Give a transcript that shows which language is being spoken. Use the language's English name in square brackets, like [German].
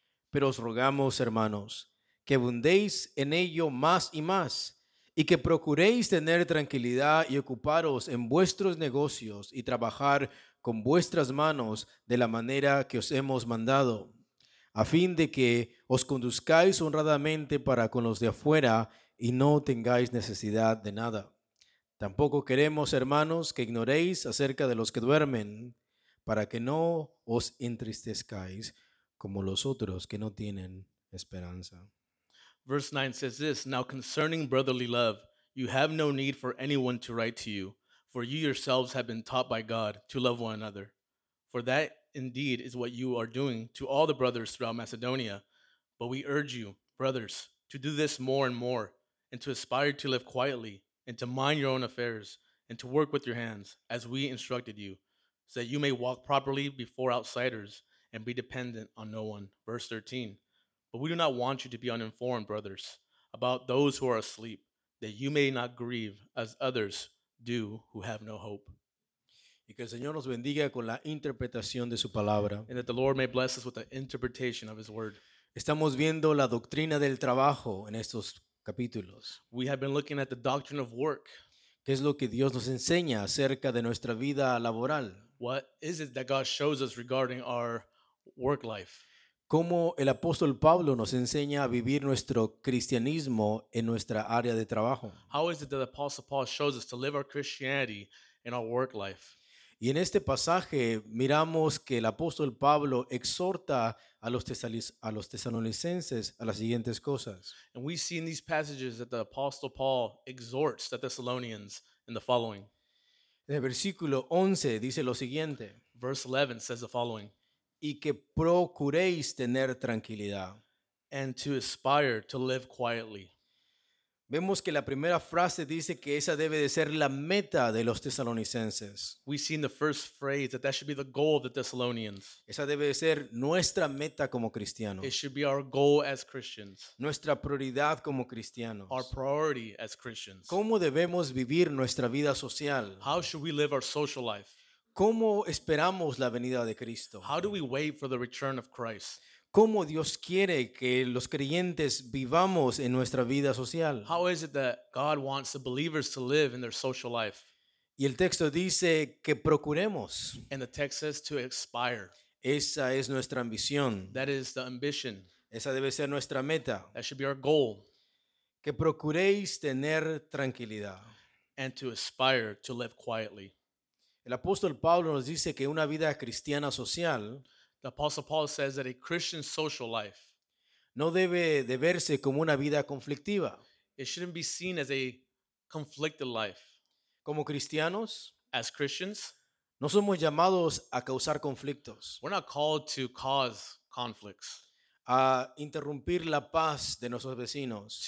[Spanish] Pero os rogamos, hermanos, que abundéis en ello más y más, y que procuréis tener tranquilidad y ocuparos en vuestros negocios y trabajar con vuestras manos de la manera que os hemos mandado, a fin de que os conduzcáis honradamente para con los de afuera y no tengáis necesidad de nada. Tampoco queremos, hermanos, que ignoréis acerca de los que duermen, para que no os entristezcáis como los otros que no tienen esperanza. [English] Verse 9 says this, Now concerning brotherly love, you have no need for anyone to write to you, for you yourselves have been taught by God to love one another. For that indeed is what you are doing to all the brothers throughout Macedonia. But we urge you, brothers, to do this more and more, and to aspire to live quietly, and to mind your own affairs, and to work with your hands, as we instructed you, so that you may walk properly before outsiders, and be dependent on no one. Verse 13. But we do not want you to be uninformed, brothers, about those who are asleep, that you may not grieve as others do who have no hope. [Spanish] Y que el Señor nos bendiga con la interpretación de su palabra. [English] And that the Lord may bless us with the interpretation of his word. [Spanish] Estamos viendo la doctrina del trabajo en estos capítulos. [English] We have been looking at the doctrine of work. [Spanish] ¿Qué es lo que Dios nos enseña acerca de nuestra vida laboral? [English] What is it that God shows us regarding our work life? [Spanish] ¿Cómo el apóstol Pablo nos enseña a vivir nuestro cristianismo en nuestra área de trabajo? [English] How is it that the apostle Paul shows us to live our Christianity in our work life? [Spanish] Y en este pasaje miramos que el apóstol Pablo exhorta a los tesalonicenses a las siguientes cosas. [English] And we see in these passages that the apostle Paul exhorts the Thessalonians in the following. [Spanish] En el versículo 11 dice lo siguiente. [English] Verse 11 says the following. [Spanish] Y que procuréis tener tranquilidad. [English] And to aspire to live quietly. [Spanish] Vemos que la primera frase dice que esa debe de ser la meta de los tesalonicenses. [English] We see in the first phrase that that should be the goal of the Thessalonians. [Spanish] Esa debe de ser nuestra meta como cristianos. [English] It should be our goal as Christians. [Spanish] Nuestra prioridad como cristianos. [English] Our priority as Christians. [Spanish] ¿Cómo debemos vivir nuestra vida social? [English] How should we live our social life? [Spanish] ¿Cómo esperamos la venida de Cristo? [English] How do we wait for the return of Christ? [Spanish] ¿Cómo Dios quiere que los creyentes vivamos en nuestra vida social? [English] How is it that God wants the believers to live in their social life? [Spanish] Y el texto dice que procuremos. [English] And the text says to aspire. [Spanish] Esa es nuestra ambición. [English] That is the ambition. [Spanish] Esa debe ser nuestra meta. [English] That should be our goal. [Spanish] Que procuréis tener tranquilidad. [English] And to aspire to live quietly. [Spanish] El apóstol Pablo nos dice que una vida cristiana social, [English] the apostle Paul says that a Christian social life, [Spanish] no debe de verse como una vida conflictiva. [English] It shouldn't be seen as a conflicted life. [Spanish] Como cristianos, [English] as Christians, [Spanish] no somos llamados a causar conflictos. [English] We're not called to cause conflicts. [Spanish] A interrumpir la paz de nuestros vecinos.